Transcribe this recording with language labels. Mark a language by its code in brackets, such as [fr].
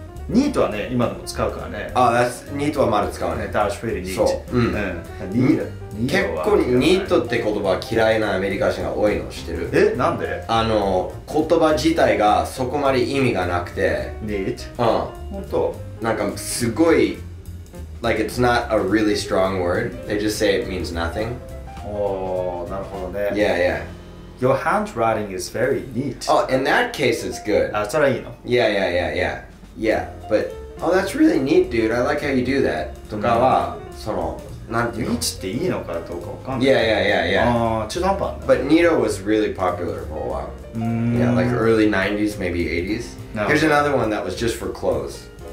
[ja] Neat はね、今でも使うからねあ、 [en] That's Neat [ja] はまだ使うね [en] That's really neat [ja] そう、 [en] Neato [ja] 結構ニートって言葉嫌いなアメリカ人が多いの知ってる。え、なんで？あの言葉自体がそこまで意味がなくて。ニート？うん。本当？なんかすごい、 [en] like it's not a really strong word. They just say it means nothing. [ja] おお、なるほどね。 [en] Yeah, yeah. Your handwriting is very neat. Oh, in that case, it's good. [ja] あ、それはいいの [en] ？Yeah. Yeah, but oh, that's really neat, dude. I like how you do that. [ja] とかは、その。なんていうの? Neat っていいのかどうかわかんない。 [en] Yeah. [ja] ああ、中途半端なんだ。 [en] But Neato was really popular for a while. Yeah, like early 90s, maybe 80s. Here's another one that was just for clothes.